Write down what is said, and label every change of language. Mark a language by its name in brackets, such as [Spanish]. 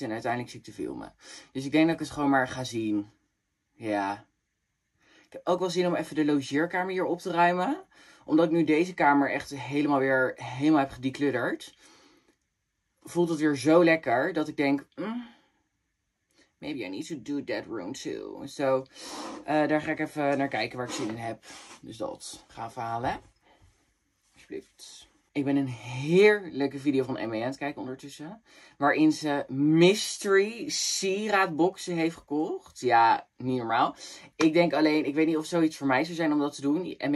[Dutch] En uiteindelijk zie ik te filmen. Dus ik denk dat ik het gewoon maar ga zien. Ja. Ik heb ook wel zin om even de logeerkamer hier op te ruimen. Omdat ik nu deze kamer echt helemaal weer helemaal heb gedeclutterd. Voelt het weer zo lekker dat ik denk... [English] Maybe I need to do that room too. [Dutch] So, daar ga ik even naar kijken waar ik zin in heb. Dus dat. Gaan verhalen. Alsjeblieft. Ik ben een heerlijke video van M.A. aan het kijken ondertussen. Waarin ze mystery sieraadboxen heeft gekocht. Ja, niet normaal. Ik denk alleen, ik weet niet of zoiets voor mij zou zijn om dat te doen. M.A.